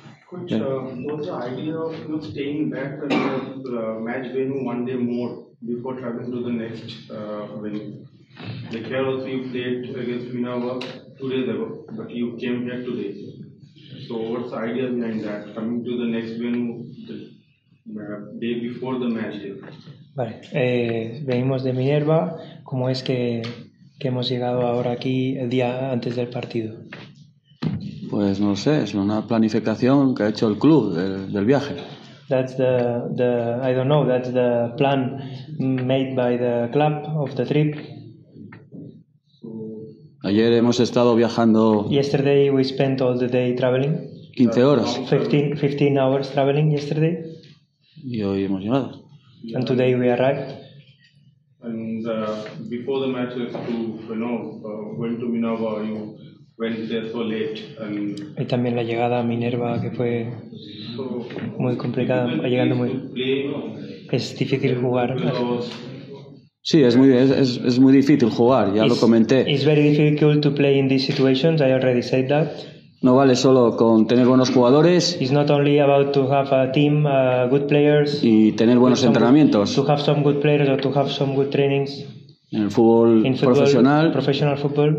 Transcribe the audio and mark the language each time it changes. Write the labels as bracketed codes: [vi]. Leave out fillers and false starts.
[en] Coach, what's the idea of you staying back in the match venue one day more before traveling to the next venue? The Carlos, you played against Minerva 2 days ago, but you came here today. So what's the idea behind that, coming to the next venue the day before the match here? [es] Vale, venimos de Minerva. ¿Cómo es que hemos llegado ahora aquí el día antes del partido? Pues no lo sé, es una planificación que ha hecho el club del viaje. [en] That's the I don't know, that's the plan made by the club of the trip. [es] Ayer hemos estado viajando. [en] Yesterday we spent all the day traveling. [es] 15 horas. [en] 15 hours traveling yesterday. [es] Y hoy hemos llegado. [en] And today we arrived. And before the match, went to Minerva, you went there so late. [es] Y también la llegada a Minerva, que fue muy complicada, llegando muy. Es difícil jugar. Sí, es muy difícil jugar, ya lo comenté. [en] It's very difficult to play in these situations, I already said that. [es] No vale solo con tener buenos jugadores. [en] It's not only about to have a team, good players. [es] Y tener buenos entrenamientos. [en] To have some good players or to have some good trainings. [es] En el fútbol profesional. [en] Professional football.